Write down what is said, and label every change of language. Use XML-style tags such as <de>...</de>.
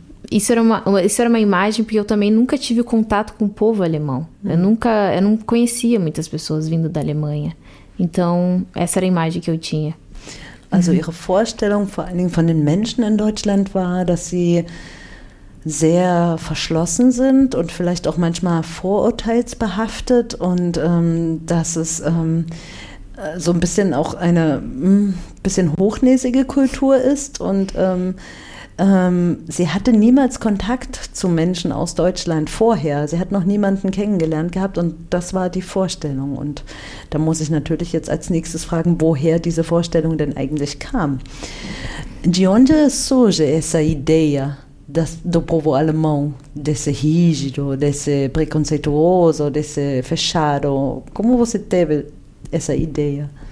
<pt>Isso era uma imagem, porque eu também nunca tive contato com o povo alemão. Eu não conhecia muitas pessoas vindo da Alemanha. Então, essa era a imagem que eu tinha.</pt> <de>Also, ihre Vorstellung, vor allen Dingen von den Menschen in Deutschland, war, dass sie sehr verschlossen sind und vielleicht auch manchmal vorurteilsbehaftet und dass es so ein bisschen auch eine bisschen hochnäsige Kultur ist und Sie hatte niemals Kontakt zu Menschen aus Deutschland vorher. Sie hat noch niemanden kennengelernt gehabt und das war die Vorstellung. Und da muss ich natürlich jetzt als nächstes fragen, woher diese Vorstellung denn eigentlich kam.</de> <pt>De onde surge essa ideia do povo alemão, desse rígido, desse preconceituoso, desse fechado? Como você teve essa ideia?</pt>